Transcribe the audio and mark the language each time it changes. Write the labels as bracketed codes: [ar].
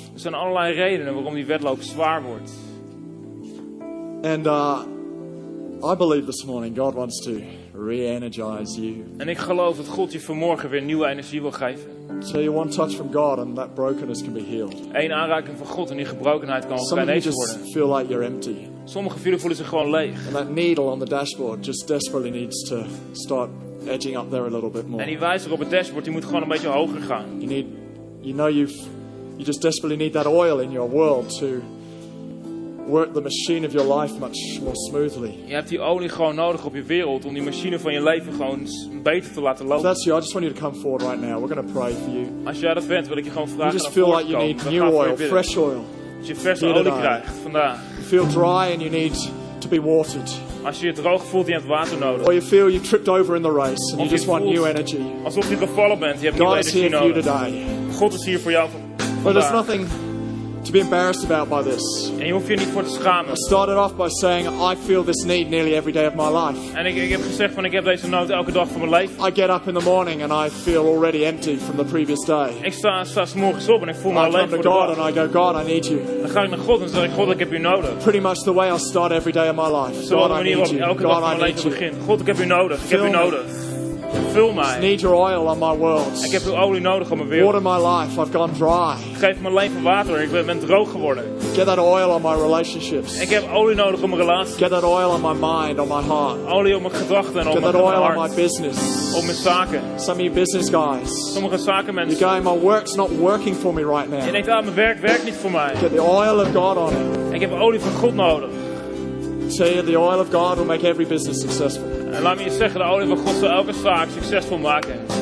[nl] Er zijn allerlei redenen waarom die wedloop zwaar wordt. [en] And I believe this morning God wants to re-energize you. [nl] En ik geloof dat God je vanmorgen weer nieuwe energie wil geven. [en] So you one touch from God and that brokenness can be healed. [nl] Eén aanraking van God en die gebrokenheid kan genezen worden. [en] Some of you just feel like you're empty. [nl] Sommige van jullie voelen zich gewoon leeg. [en] And that needle on the dashboard just desperately needs to start edging up there a little bit more. [nl] En die wijzer op het dashboard die moet gewoon een beetje hoger gaan. [en] You just desperately need that oil in your world to work the machine of your life much more smoothly. [nl] Je hebt die olie gewoon nodig op je wereld om die machine van je leven gewoon beter te laten lopen. [en] If that's you, I just want you to come forward right now. We're going to pray for you. [nl] Als jij dat bent, wil ik je gewoon vragen. [en] You just feel like you need new oil, fresh oil. [nl] Als je verse olie krijgt vandaag. [en] You feel dry and you need to be watered. [nl] Als je je droog voelt, je hebt water nodig. [en] Or you feel you tripped over in the race and you just want new energy. [nl] Alsof je gevallen bent, je hebt nieuwe energie nodig. [en] God is here for you today. [nl] God is hier voor jou vandaag. [en] But there's nothing to be embarrassed about by this. [nl] En je hoeft je niet voor te schamen. [en] I started off by saying I feel this need nearly every day of my life. [nl] En ik heb gezegd van ik heb deze nood elke dag van mijn leven. [en] I get up in the morning and I feel already empty from the previous day. [nl] Ik sta 's morgens op en ik voel me alleen. [en] I come to God and I go, God, I need you. [nl] Dan ga ik naar God en zeg ik, God, ik heb u nodig. [en] Pretty much the way I start every day of my life. [nl] Zo [en] God, I need you. God, I need you. [nl] God, ik heb u nodig. Ik heb u nodig. Vul mij. [en] I need your oil on my world. [nl] Ik heb uw olie nodig op mijn wereld. [en] Water my life. I've gone dry. [nl] Geef mijn leven water. Ik ben droog geworden. [en] Get that oil on my relationships. [nl] Ik heb olie nodig op mijn relaties. [en] Get that oil on my mind, on my heart. [nl] Olie op mijn gedachten en op mijn hart. [en] Get that oil on my business. [nl] Op mijn zaken. [en] Some of you business guys. [nl] Sommige zakenmensen. [en] You're going, my work's not working for me right now. [nl] Je denkt, ah, mijn werk werkt niet voor mij. [en] Get the oil of God on it. [nl] Ik heb olie van God nodig. [en] Say the oil of God will make every business successful. [nl] En laat me je zeggen, de olie van God zal elke zaak succesvol maken.